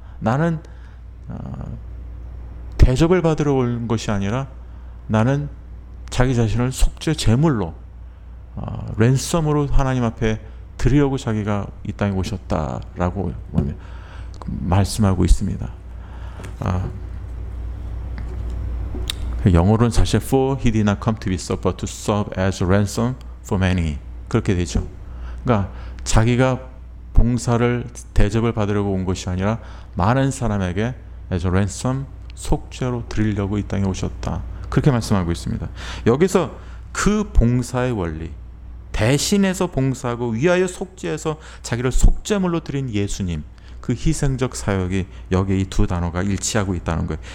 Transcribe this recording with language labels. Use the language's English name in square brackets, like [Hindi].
[Korean] 나는 대접을 받으러 온 것이 아니라 나는 자기 자신을 속죄 제물로 랜섬으로 하나님 앞에 드리려고 자기가 이 땅에 오셨다라고 말씀하고 있습니다. 영어로는 사실 [English] for he did not come to be served but to serve as a ransom for many [Korean] 그렇게 되죠. 그러니까 자기가 봉사를 대접을 받으려고 온 것이 아니라 많은 사람에게 [English] as a ransom [Korean] 속죄로 드리려고 이 땅에 오셨다 그렇게 말씀하고 있습니다. 여기서 그 봉사의 원리 대신해서 봉사하고 위하여 속죄해서 자기를 속죄물로 드린 예수님 그 희생적 사역이 여기 이 두 단어가 일치하고 있다는 거예요.